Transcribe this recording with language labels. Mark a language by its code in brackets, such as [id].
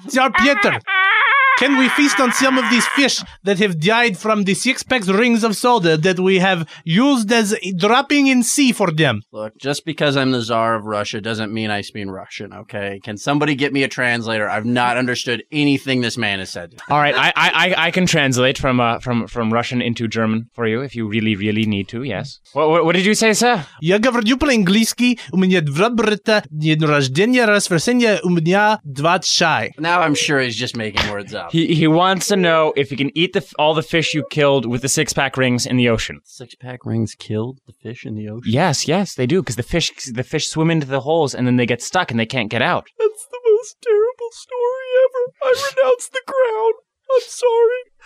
[en] Tsar Peter, can we feast on some of these fish that have died from the six-pack rings of soda that we have used as dropping in sea for them? Look, just because I'm the Tsar of Russia doesn't mean I speak Russian, okay? Can somebody get me a translator? I've not understood anything this man has said. All right, I can translate from Russian into German for you if you really, really need to, yes. What did you say, sir? [ru] Я говорю по-английски, у меня два брата, день рождения, расписание, у меня два чай. [en] Now I'm sure he's just making words up. He wants to know if he can eat all the fish you killed with the six-pack rings in the ocean. Six-pack rings killed the fish in the ocean? Yes, yes, they do, because the fish swim into the holes and then they get stuck and they can't get out. That's the most terrible story ever. I renounce the crown. I'm sorry.